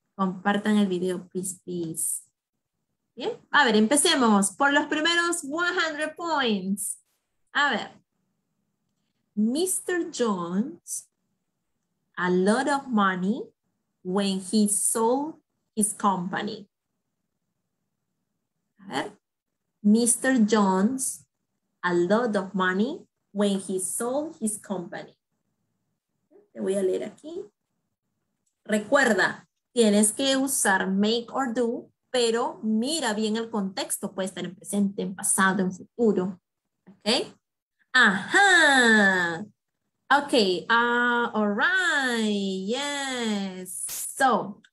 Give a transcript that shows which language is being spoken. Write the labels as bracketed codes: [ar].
[es] Compartan el video, [en] please, please. [es] Bien, a ver, empecemos por los primeros 100 points. A ver. Mr. [en] Jones, a lot of money when he sold his company. [es] A ver. [en] Mr. Jones, a lot of money when he sold his company. [es] Te voy a leer aquí. Recuerda, tienes que usar make or do, pero mira bien el contexto. Puede estar en presente, en pasado, en futuro. ¿Ok? Ajá. Ok. [en] All right. Yes. So.